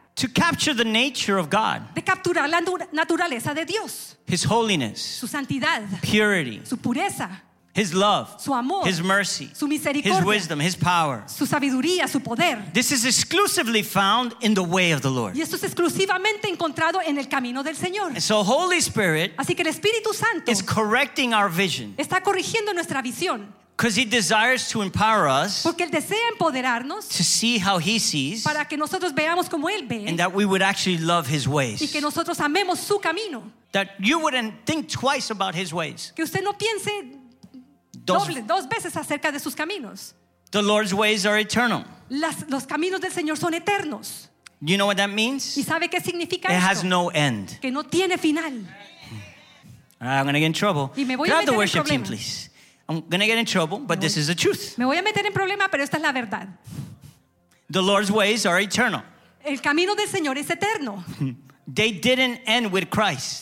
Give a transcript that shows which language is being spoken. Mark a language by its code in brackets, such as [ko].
[en] To capture the nature of God. [es] De capturar la naturaleza de Dios. [en] His holiness. [es] Su santidad. [en] Purity. [es] Su pureza. [en] His love. [es] Su amor. [en] His mercy. [es] Su misericordia. [en] His wisdom, his power. [es] Su sabiduría, su poder. [en] This is exclusively found in the way of the Lord. [es] Y esto es exclusivamente encontrado en el camino del Señor. [en] And so Holy Spirit. [es] Así que el Espíritu Santo. [en] Is correcting our vision. [es] Está corrigiendo nuestra visión. [en] Because he desires to empower us. [es] Porque él desea empoderarnos. [en] To see how he sees. [es] Para que nosotros veamos como él ve. [en] And that we would actually love his ways. [es] Y que nosotros amemos su camino. [en] That you wouldn't think twice about his ways. [es] Que usted no piense dos veces acerca de sus caminos. [en] The Lord's ways are eternal. [es] Los caminos del Señor son eternos. [en] You know what that means? [es] ¿Y sabe qué significa [en] it [es] esto? [en] It has no end. [es] Que no tiene final. [en] I'm going to get in trouble. [es] Y me voy [en] grab [es] a meter [en] the worship [es] problemas. [en] Team, please. I'm going to get in trouble, but this is the truth. [es] Me voy a meter en problema, pero esta es la verdad. [en] The Lord's ways are eternal. [es] El camino del Señor es eterno. [en] They didn't end with Christ.